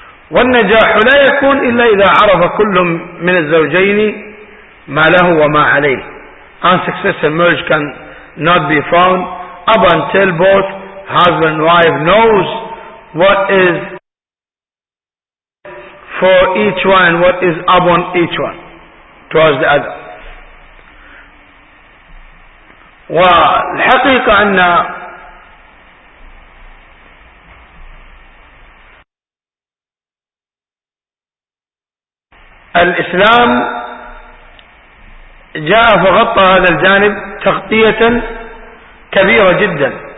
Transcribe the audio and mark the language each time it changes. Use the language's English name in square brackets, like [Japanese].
[Arabic] والنجاح لا يكون إلا إذا عرف كل من الزوجين ما له وما عليه. [English] Unsuccessful marriage can not be found up until both husband and wife knows what is for each one and what is upon each one towards the other. [Arabic] والحقيقة أن الإسلام جاء فغطى هذا الجانب تغطية كبيرة جدا.